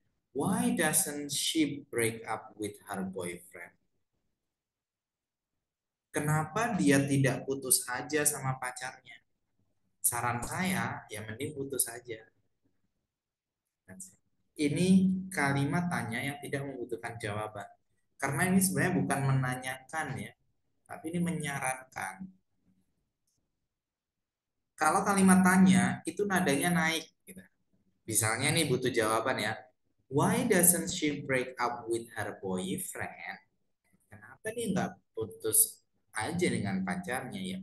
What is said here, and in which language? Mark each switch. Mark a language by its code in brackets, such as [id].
[en] Why doesn't she break up with her boyfriend? [id] Kenapa dia tidak putus aja sama pacarnya? Saran saya, ya mending putus aja. Ini kalimat tanya yang tidak membutuhkan jawaban. Karena ini sebenarnya bukan menanyakan ya, tapi ini menyarankan. Kalau kalimat tanya itu nadanya naik gitu. Misalnya nih butuh jawaban ya. [en] Why doesn't she break up with her boyfriend? [id] Kenapa dia nggak putus aja dengan pacarnya ya?